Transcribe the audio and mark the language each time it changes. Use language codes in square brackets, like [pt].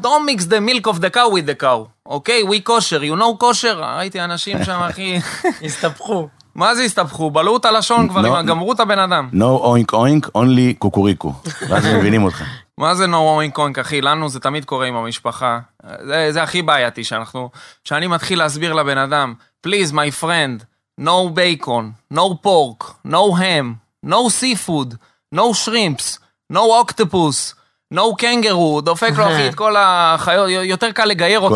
[en] Don't mix the milk of the cow with the cow. Okay, we kosher, you know kosher? [he] ראיתי אנשים שם, אחי, הסתבכו. מה זה הסתבכו? בלעו את הלשון כבר, גמרו את הבן אדם. [en] No oink oink, only קוקוריקו. [he] ואז מבינים אותך. מה זה [en] no oink oink, [he] אחי? לנו זה תמיד קורה עם המשפחה. זה הכי בעייתי שאנחנו, שאני מתחיל להסביר לבן אדם, [en] please my friend, no bacon, no pork, no ham, no seafood, no shrimps, no octopus, no kangaroo, [he] דופק לו אחי את כל החיות, יותר קל לגייר אותו